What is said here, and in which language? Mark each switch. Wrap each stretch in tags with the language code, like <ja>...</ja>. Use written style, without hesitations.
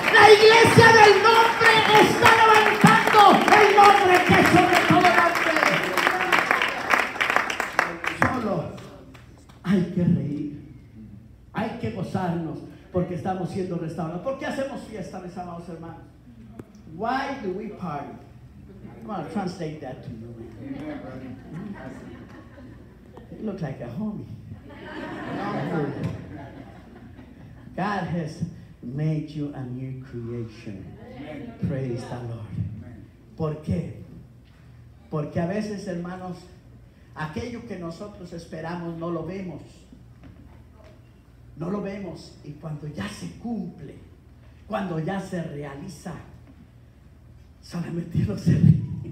<es>La iglesia del nombre está levantando. El nombre que es sobre todo nombre. Solo hay que reír. Hay que gozarnos porque estamos siendo restaurados. ¿Por qué hacemos fiesta, mis amados hermanos?</es> <en>Why do we party? I'm going to translate that to you. You look like a homie. God has made you a new creation. Praise the Lord.</en> <es>¿Por qué? Porque a veces, hermanos, aquello que nosotros esperamos no lo vemos. No lo vemos. Y cuando ya se cumple, cuando ya se realiza, solamente no se ve.</es>